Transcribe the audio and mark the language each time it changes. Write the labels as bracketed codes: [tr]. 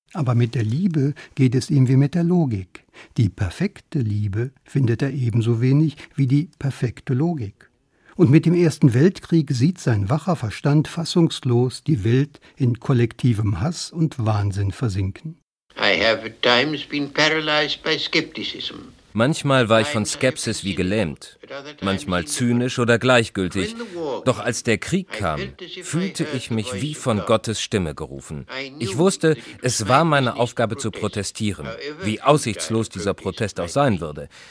[de] Aber mit der Liebe geht es ihm wie mit der Logik. Die perfekte Liebe findet er ebenso wenig wie die perfekte Logik. Und mit dem Ersten Weltkrieg sieht sein wacher Verstand fassungslos die Welt in kollektivem Hass und Wahnsinn versinken. [en] I have at times been paralyzed by skepticism. [de] Manchmal war ich von Skepsis wie gelähmt, manchmal zynisch oder gleichgültig. Doch als der Krieg kam, fühlte ich mich wie von Gottes Stimme gerufen. Ich wusste, es war meine Aufgabe zu protestieren, wie aussichtslos dieser Protest auch sein würde.